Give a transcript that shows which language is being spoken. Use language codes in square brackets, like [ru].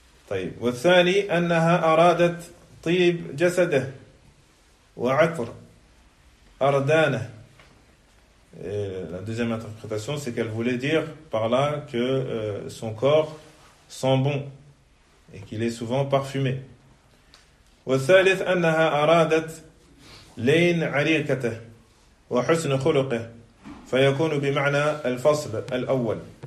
[ar] طيب والثاني أنها أرادت طيب جسده وعطر أردانه. [fr] La deuxième interprétation, c'est qu'elle voulait dire par là que son corps sent bon et qu'il est souvent parfumé. [ar] والثالث أنها أرادت لين عريقته وحسن خلقه فيكون بمعنى الفصل الأول.